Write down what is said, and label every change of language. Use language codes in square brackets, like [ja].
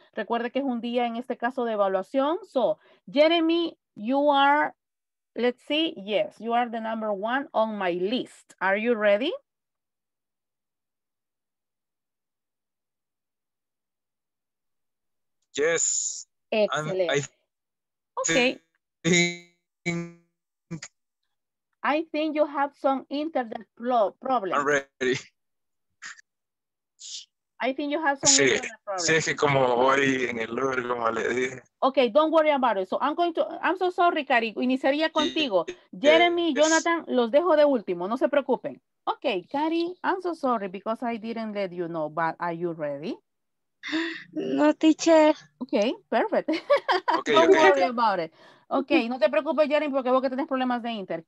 [es] Recuerde que es un día en este caso de evaluación. [en] So, Jeremy, you are, let's see, yes, you are the number one on my list. Are you ready? Yes. Excellent. I think you have some internet problem. I'm ready. I think you have some internet problem. [es] Sí, es que como hoy en el lugar, como le dije. [en] Okay, don't worry about it. So I'm going to, I'm so sorry, Cari. [es] Iniciaría contigo. Yeah. Jeremy, yes. Jonathan, los dejo de último. No se preocupen. [en] Okay, Cari, I'm so sorry because I didn't let you know, but are you ready? No, teacher. Okay, perfect. Okay, don't worry about it. [es] Okay, no te preocupes, Jeremy, porque vos que tenés problemas de inter.